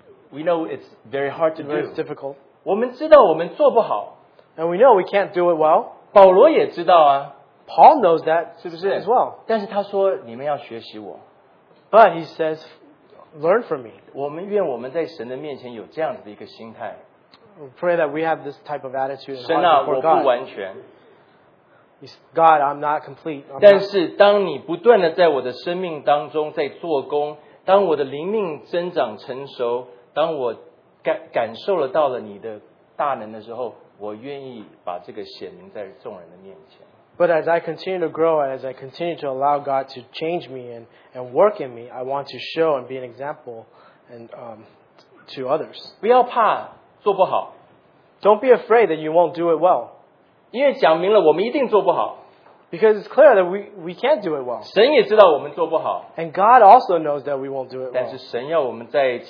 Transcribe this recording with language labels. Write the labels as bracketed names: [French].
[English] We know it's very hard to do. It's difficult. [Chinese] 我们知道我们做不好。 [English] And we know we can't do it well. [Chinese] 保罗也知道啊。 [English] Paul knows that as well. [Chinese] 但是他说你们要学习我。 [English] But he says, learn from me. [Chinese] 我们愿我们在神的面前有这样子的一个心态。 [English] We pray that we have this type of attitude and heart before God. [Chinese] 神啊，我不完全。 [English] God, I'm not complete. [Chinese] 但是当你不断地在我的生命当中在做工，当我的灵命增长成熟，当我感受了到了你的大能的时候，我愿意把这个显明在众人的面前。 [English] But as I continue to grow and as I continue to allow God to change me and work in me, I want to show and be an example and to others. [Chinese] 不要怕做不好。 [English] Don't be afraid that you won't do it well. [Chinese] 因为讲明了我们一定做不好。 [English] Because it's clear that we can't do it well. [Chinese] 神也知道我们做不好。 [English] And God also knows that we won't do it well.